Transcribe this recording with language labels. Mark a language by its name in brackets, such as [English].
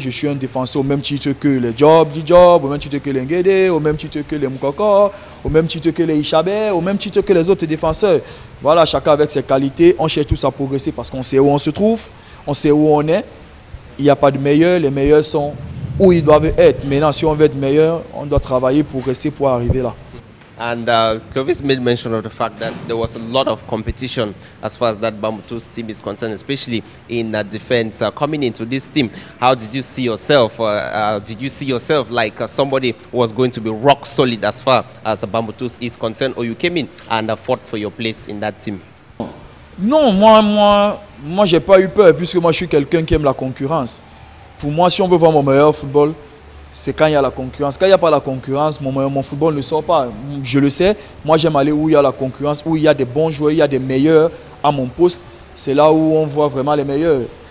[French] Je suis un défenseur au même titre que les Job, au même titre que les Nguédé, au même titre que les Moukoko, au même titre que les Ishabé, au même titre que les autres défenseurs. Voilà, chacun avec ses qualités. On cherche tous à progresser parce qu'on sait où on se trouve, on sait où on est. Il n'y a pas de meilleurs, les meilleurs sont où ils doivent être. Maintenant, si on veut être meilleur, on doit travailler, progresser pour arriver là. [English] And Clovis made mention of the fact that there was a lot of competition as far as that Bamoutos team is concerned, especially in defense. Coming into this team, how did you see yourself? Did you see yourself like somebody who was going to be rock solid as far as Bamoutos is concerned, or you came in and fought for your place in that team? [French] Non, moi, j'ai pas eu peur puisque moi je suis quelqu'un qui aime la concurrence. Pour moi, si on veut voir mon meilleur football, c'est quand il y a la concurrence. Quand il n'y a pas la concurrence, mon football ne sort pas. Je le sais. Moi, j'aime aller où il y a la concurrence, où il y a des bons joueurs, il y a des meilleurs à mon poste. C'est là où on voit vraiment les meilleurs.